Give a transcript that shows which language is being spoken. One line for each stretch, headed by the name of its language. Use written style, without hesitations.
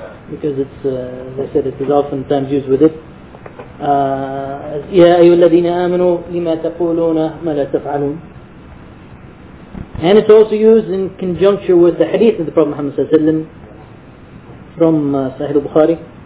English: Because it's, as I said, it is oftentimes used with it.
Arabic: يا أيها الذين آمنوا لما تقولون ما لا تفعلون.
English: And it's also used in conjunction with the hadith of the Prophet Muhammad صلى الله عليه وسلم from Sahih al-Bukhari.